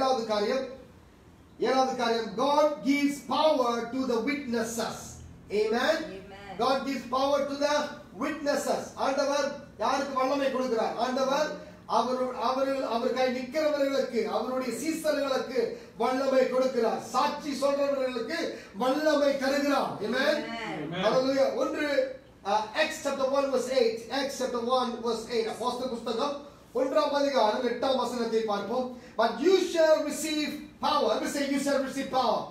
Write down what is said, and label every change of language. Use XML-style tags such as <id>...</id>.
<en>காரியம் God gives power to the witnesses. Amen. God gives power to the witnesses.</en> <ta>ஆண்டவர் யாருக்கு வல்லமை கொடுக்கிறார் ஆண்டவர் அவர்கள் நிற்கிறவர்களுக்கு அவருடைய சீசர்களுக்கு வல்லமை கொடுக்கிறார் சாட்சி சொல்றவர்களுக்கு வல்லமை தருகிறார்</ta> <en>Amen. ஒன்று Acts chapter 1 verse 8</en> <ta>அப்போஸ்தலர் புத்தகம் ஒன்றாம் அதிகாரம் எட்டாம் வசனத்தை பார்ப்போம்</ta> <en>But you shall receive power. Let me say you shall receive power.</en>